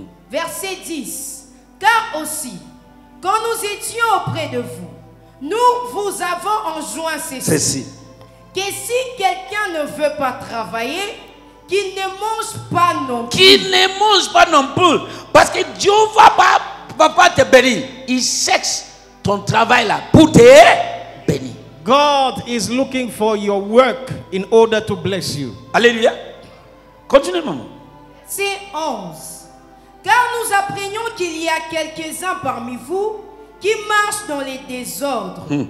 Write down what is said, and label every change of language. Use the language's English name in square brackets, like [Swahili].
[French] Verset 10. Car aussi, quand nous étions auprès de vous, nous vous avons enjoint ceci. Que si quelqu'un ne veut pas travailler, qu'il ne mange pas non plus. Qu'il ne mange pas non plus. Parce que Dieu ne va pas te bénir. Il cherche ton travail là pour te bénir. [English] God is looking for your work in order to bless you. [French] Alléluia. Continue, maman. C'est 11. Car nous apprenons qu'il y a quelques-uns parmi vous qui marchent dans les désordres.